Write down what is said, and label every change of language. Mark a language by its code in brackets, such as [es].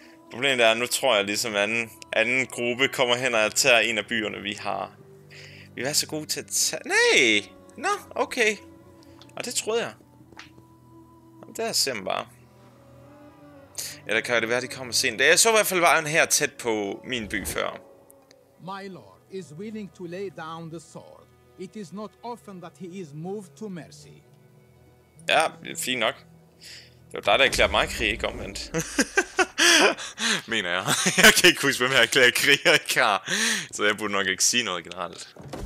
[da] Problemet er, at nu tror jeg ligesom anden gruppe kommer hen og tager en af byerne, vi har. Vi er så gode til at tage... Nej! Nå, okay. Og det troede jeg. Jamen, der ser man bare. Eller kan det være, de kommer sent? Jeg så i hvert fald vejen her tæt på min by før. [en] My lord is willing to lay down the sword. It is not often that he is moved to mercy. [da] Ja, fint nok. Det var dig, der erklærte mig krig, ikke omvendt. Mener jeg. Jeg kan ikke huske, hvem jeg erklærer krig, jeg ikke har. Så jeg burde nok ikke sige noget generelt.